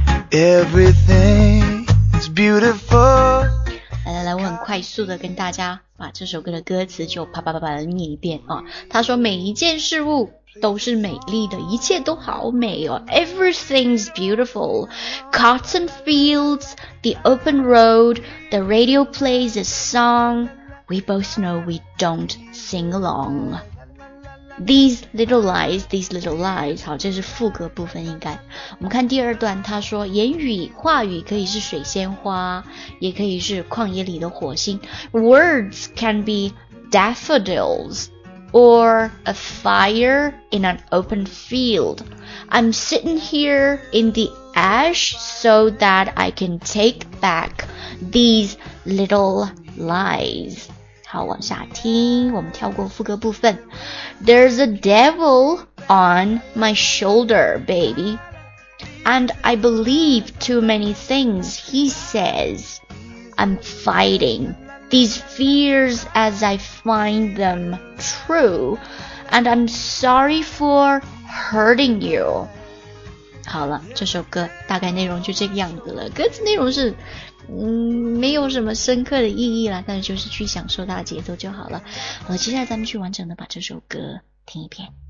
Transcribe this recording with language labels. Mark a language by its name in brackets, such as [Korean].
[English] Everything's beautiful. [Chinese] 来来来，我很快速的跟大家把这首歌的歌词就啪啪啪啪的念一遍啊。他说每一件事物都是美丽的，一切都好美哦。 [English] Everything's beautiful. Cotton fields, the open road, the radio plays a song. We both know we don't sing along. These little lies. [Chinese] 好，这是副歌部分应该。我们看第二段，他说言语话语可以是水仙花，也可以是旷野里的火星。 [English] Words can be daffodils or a fire in an open field. I'm sitting here in the ash so that I can take back these little lies. [Chinese] 好，往下听，我们跳过副歌部分。 [English] There's a devil on my shoulder, baby, and I believe too many things he says. I'm fighting these fears as I find them true, and I'm sorry for hurting you. [Chinese] 好了，这首歌大概内容就这个样子了。歌词内容是没有什么深刻的意义啦，但是就是去享受它的节奏就好了。好，接下来咱们去完整的把这首歌听一遍。